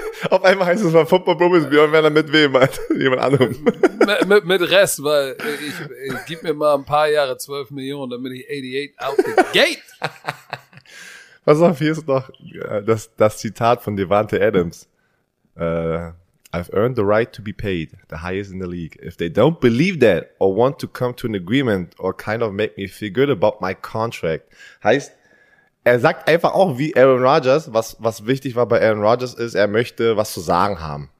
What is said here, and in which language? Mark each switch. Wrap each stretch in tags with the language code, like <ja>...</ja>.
<de>auf einmal heißt es mal Football-Bubbies, Björn Werner mit wem? Jemand anderem. Mit Rest, weil ich gib mir mal ein paar Jahre 12 Millionen, dann bin ich 88</de> <en>out the gate.</en> <de>Pass auf, hier ist noch das Zitat von Devante Adams.</de> <en>I've earned the right to be paid, the highest in the league. If they don't believe that or want to come to an agreement or kind of make me feel good about my contract.</en> <de>Heißt, er sagt einfach auch wie Aaron Rodgers, was wichtig war bei Aaron Rodgers ist, er möchte was zu sagen haben.</de>